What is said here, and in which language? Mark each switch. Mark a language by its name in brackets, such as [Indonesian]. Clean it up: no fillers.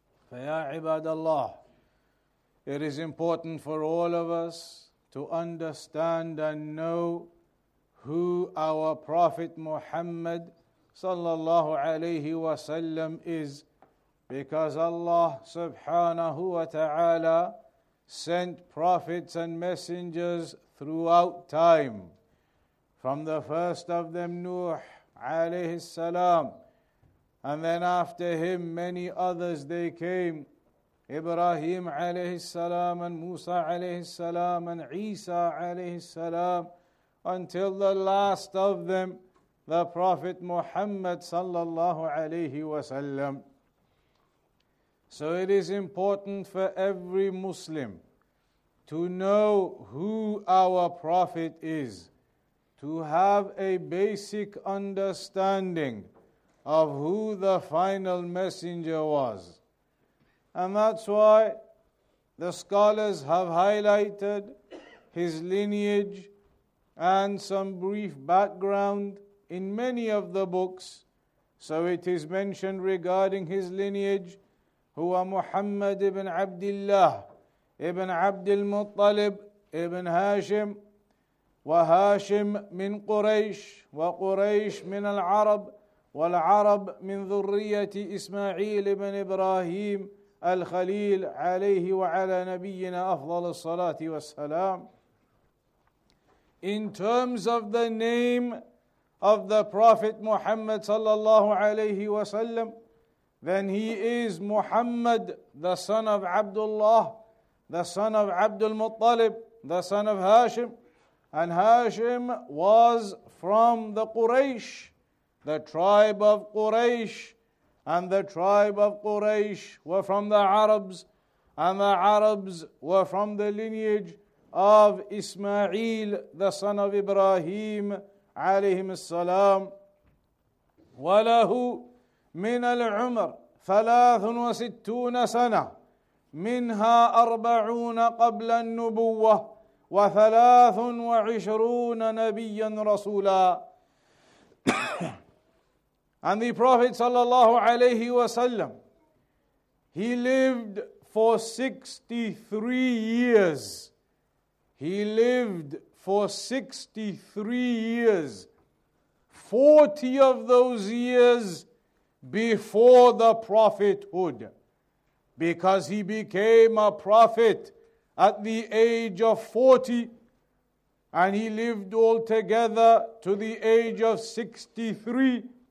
[Arabic] فيا عباد الله [English] It is important for all of us to understand and know who our Prophet Muhammad [Arabic] صلى الله عليه وسلم [English] is because Allah [Arabic] سبحانه وتعالى [English] sent prophets and messengers throughout time. From the first of them, Nuh alayhi salam, and then after him, many others they came. Ibrahim alayhi salam, and Musa alayhi salam, and Isa alayhi salam, until the last of them, the Prophet Muhammad sallallahu alayhi wasallam. So it is important for every Muslim to know who our Prophet is, to have a basic understanding of who the final messenger was. And that's why the scholars have highlighted his lineage and some brief background in many of the books. So it is mentioned regarding his lineage, [Arabic] huwa Muhammad ibn Abdullah ابن عبد المطلب ابن هاشم وهاشم من قريش وقريش من العرب والعرب من ذرية إسماعيل ابن إبراهيم الخليل عليه وعلى نبينا أفضل الصلاة والسلام. [English] In terms of the name of the Prophet Muhammad [Arabic] صلى الله عليه وسلم, [English] then he is Muhammad, the son of Abdullah, the son of Abdul Muttalib, the son of Hashim. And Hashim was from the Quraysh, the tribe of Quraysh. And the tribe of Quraysh were from the Arabs. And the Arabs were from the lineage of Ismail, the son of Ibrahim, alayhim as-salam. [Arabic] وَلَهُ مِنَ الْعُمْرِ 63 سَنَةٍ منها 40 قبل النبوة وثلاث وعشرون نبيا رسولا. [English] And the Prophet sallallahu alayhi wasallam, he lived for 63 years. He lived for 63 years. 40 of those years before the prophethood, because he became a prophet at the age of 40, and he lived altogether to the age of 63.